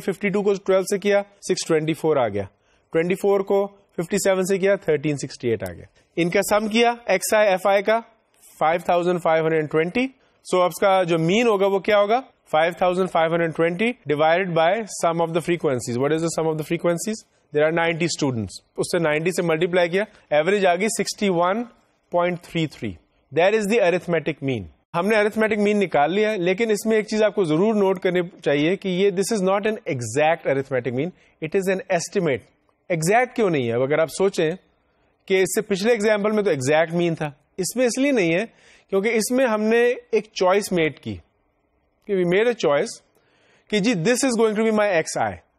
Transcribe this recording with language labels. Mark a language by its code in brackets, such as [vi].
[ur] 52 کو 12 سے کیا 624 آ گیا, 24 کو 57 سے کیا 1368 آ گیا. ان کا سم کیا ایکس آئی ایف آئی کا 5520. سو اس کا جو مین ہوگا وہ کیا ہوگا, 5520 [en] Divide by sum of the frequencies. What is the sum of the frequencies? There are 90 students. [ur] اس سے 90 سے ملٹی پلائی کیا, ایوریج آ گئی 61.33. [en] That is the arithmetic mean. [ur] ہم نے ارتھمیٹک مین نکال لیا, لیکن اس میں ایک چیز آپ کو ضرور نوٹ کرنی چاہیے کہ یہ [en] This is not an exact arithmetic mean, it is an estimate. [ur] Exact کیوں نہیں ہے؟ اگر آپ سوچیں کہ اس سے پچھلے ایگزامپل میں تو ایگزیکٹ مین تھا, اس میں اس لیے نہیں ہے کیونکہ اس میں ہم نے ایک چوائس میڈ کی, کہ [en] we made a choice [ur] کہ جی [en] This is going to be my x i.